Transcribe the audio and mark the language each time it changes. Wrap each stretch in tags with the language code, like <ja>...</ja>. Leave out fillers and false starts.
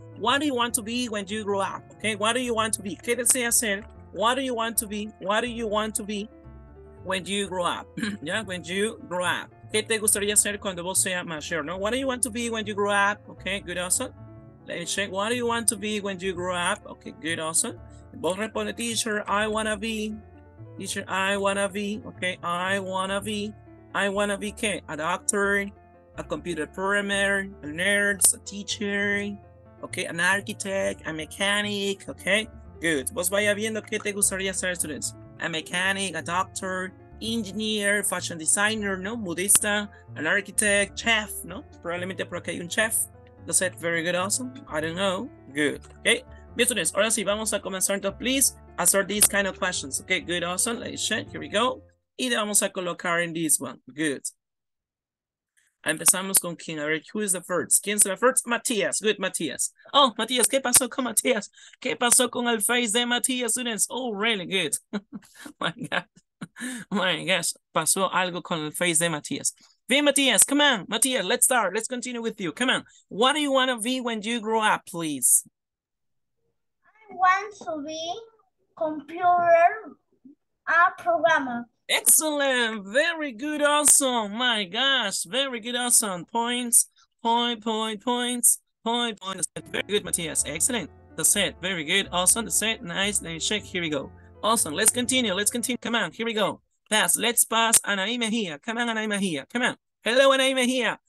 <en>What do you want to be when you grow up, ok? What do you want to be?</en> <es>¿Qué desea ser?</es> <en>What do you want to be? What do you want to be when you grow up, yeah, when you grow up?</en> <es>¿Qué te gustaría hacer cuando vos sea mayor, no?</es> <en>What do you want to be when you grow up? Okay, good, awesome. Let me check. What do you want to be when you grow up? Okay, good, awesome.</en> <es>Vos responde,</es> <en>teacher, I wanna be. Teacher, I wanna be. Okay, I wanna be. I wanna be, ¿qué? A doctor, a computer programmer, a nurse, a teacher, okay, an architect, a mechanic, okay? Good.</en> <es>Vos vaya viendo qué te gustaría hacer, students.</es> <en>A mechanic, a doctor, engineer, fashion designer, no, budista, an architect, chef, no,</en> <es>probablemente porque hay un chef.</es> <en>That's it. Very good, awesome. I don't know. Good. Okay. Bien, students.</en> <es>Ahora sí, vamos a comenzar.</es> <en>Entonces, please answer these kind of questions. Okay. Good, awesome. Let's check. Here we go.</en> <es>Y le vamos a colocar en</es> <en>this one.</en> <es>Good. Empezamos con quién. A ver,</es> <en>who is the first?</en> <es>¿Quién será first? Matías. Good, Matías. Oh, Matías, ¿qué pasó con Matías? ¿Qué pasó con el face de Matías, students?</es> <en>Oh, really good. My God. My gosh,</en> <es>pasó algo con el face de Matías.</es> <en>Bien, Matías, come on, Matías, let's start. Let's continue with you. Come on. What do you want to be when you grow up, please? I want to be computer programmer. Excellent. Very good, awesome. My gosh, very good, awesome. Points, point, point, points, point, points. Very good, Matías. Excellent. That's it. Very good. Awesome. That's it. Nice. Then check. Here we go. Awesome. Let's continue. Let's continue. Come on. Here we go. Pass. Let's pass. Anaí Mejía. Come on, Anaí Mejía. Come on. Hello, Anaí Mejía.</en>